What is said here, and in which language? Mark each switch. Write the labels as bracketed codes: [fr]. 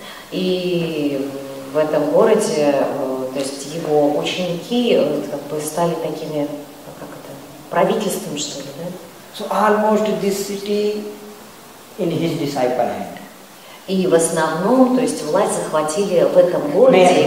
[ru] И в этом городе, то есть его ученики как бы стали такими, как это, правительством, что ли, да? [en] So almost this city in his disciple hand. [ru] И в основном, то есть власть захватили в этом городе